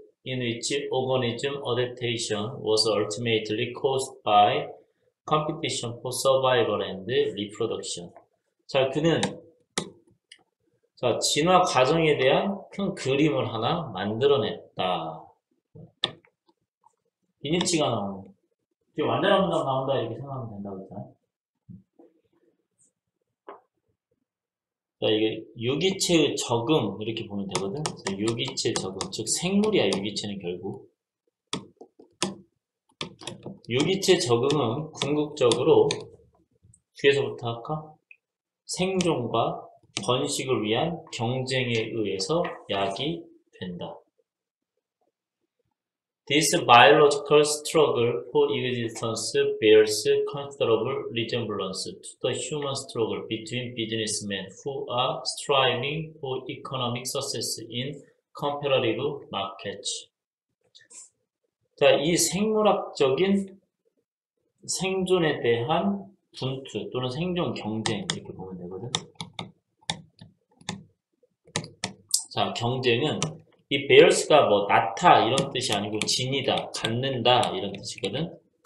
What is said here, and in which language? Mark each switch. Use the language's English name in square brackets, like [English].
[English] In which organism adaptation was ultimately caused by competition for survival and reproduction. [Korean] 자, 그는 자 진화 과정에 대한 큰 그림을 하나 만들어냈다. 니치가 나온 이게 완전한 문장 나온다 이렇게 생각하면 된다고 자, 이게 유기체의 적응 이렇게 보면 되거든. 유기체 적응, 즉 생물이야. 유기체는 결국 유기체 적응은 궁극적으로 뒤에서부터 할까? 생존과 번식을 위한 경쟁에 의해서 야기된다. [English] This biological struggle for existence bears considerable resemblance to the human struggle between businessmen who are striving for economic success in competitive markets. [Korean] 자, 이 생물학적인 생존에 대한 분투 또는 생존 경쟁 이렇게 보면 되거든. 자, 경쟁은 이 bears가 뭐 나타 이런 뜻이 아니고 지니다, 갖는다 이런 뜻이거든.